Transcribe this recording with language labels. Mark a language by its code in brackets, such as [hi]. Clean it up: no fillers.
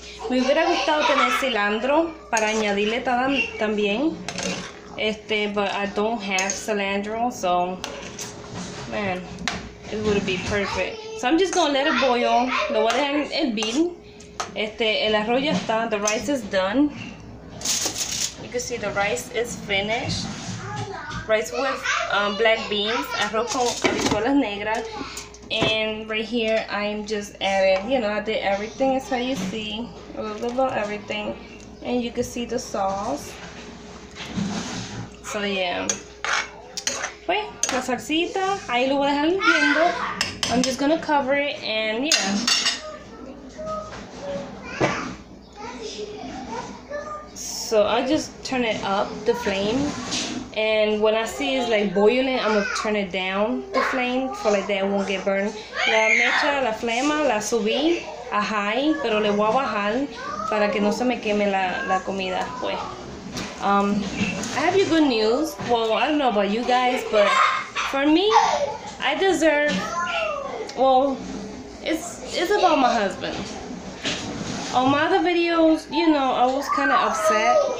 [es] Me hubiera gustado tener cilantro para añadirle también. [en] But I don't have cilantro, so man, it would be perfect. So I'm just gonna let it boil. [es] Lo voy a dejar hervir. El arroz ya está. [en] The rice is done. You can see the rice is finished. Rice with black beans. [es] Arroz con habichuelas negras. [en] And right here, I'm just adding. You know, I did everything. That's how you see a little bit of everything. And you can see the sauce. [es] So yeah, wait, la salsita, ahí lo voy a dejar limpiando. [en] I'm just gonna cover it and yeah. So I just turn it up, the flame. And when I see it's like boiling, I'm gonna turn it down the flame for like that it won't get burned. [es] La mecha, la flema, la subí a high, pero le voy a bajar para que no se me queme la comida, pues. [en] I have you good news. Well, I don't know about you guys, but for me, I deserve, well, it's about my husband. On my other videos, you know, I was kind of upset.